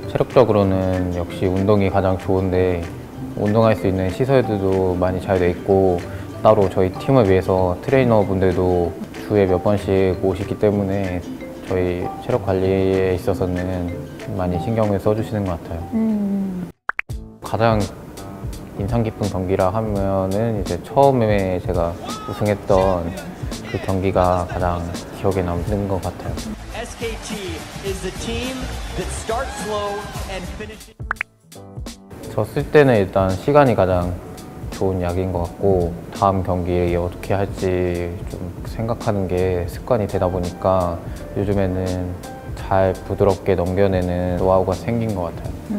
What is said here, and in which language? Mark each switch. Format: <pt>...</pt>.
<ko>체력적으로는 역시 운동이 가장 좋은데 운동할 수 있는 시설들도 많이 잘 돼 있고 따로 저희 팀을 위해서 트레이너분들도 주에 몇 번씩 오시기 때문에 저희 체력 관리에 있어서는 많이 신경을 써주시는 것 같아요. 가장 인상 깊은 경기라 하면은 이제 처음에 제가 우승했던 그 경기가 가장 기억에 남는 것 같아요.</ko> <en>SKT is the team that starts slow and finishes.</en> <ko>졌을 때는 일단 시간이 가장 좋은 약인 것 같고 다음 경기에 어떻게 할지 좀 생각하는 게 습관이 되다 보니까 요즘에는 잘 부드럽게 넘겨내는 노하우가 생긴 것 같아요.</ko>